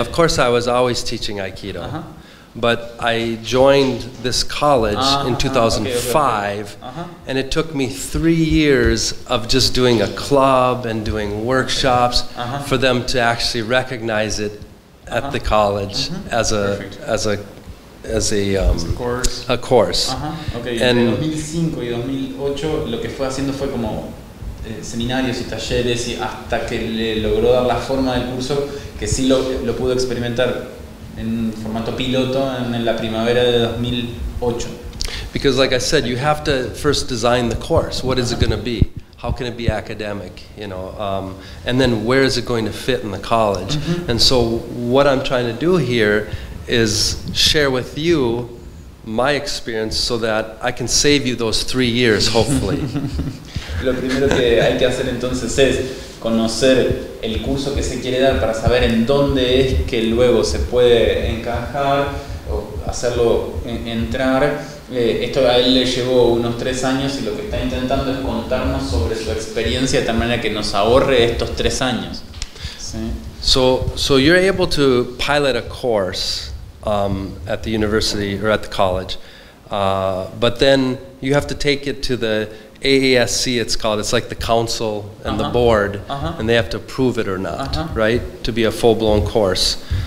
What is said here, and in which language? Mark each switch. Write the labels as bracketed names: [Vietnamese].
[English] Of course, I was always teaching Aikido, but I joined this college in 2005, and it took me 3 years of just doing a club and doing workshops for them to actually recognize it at the college as a course. [Spanish] Entre 2005 y 2008 lo que fue haciendo fue como seminarios y talleres, y hasta que le logró dar la forma del curso, que sí lo pudo experimentar en formato piloto en la primavera de 2008. [English] Because like I said, you have to first design the course. What is it going to be? How can it be academic, you know? And then where is it going to fit in the college? And so what I'm trying to do here is share with you my experience so that I can save you those 3 years, hopefully. [Spanish] Lo primero que hay que hacer entonces es conocer el curso que se quiere dar para saber en dónde es que luego se puede encajar o hacerlo entrar. Esto a él le llevó unos 3 años y lo que está intentando es contarnos sobre su experiencia de tal manera que nos ahorre estos 3 años. ¿Sí? [English] So you're able to pilot a course at the university or at the college, but then you have to take it to the AASC, it's called. It's like the council and the board, and they have to approve it or not, right, to be a full-blown course.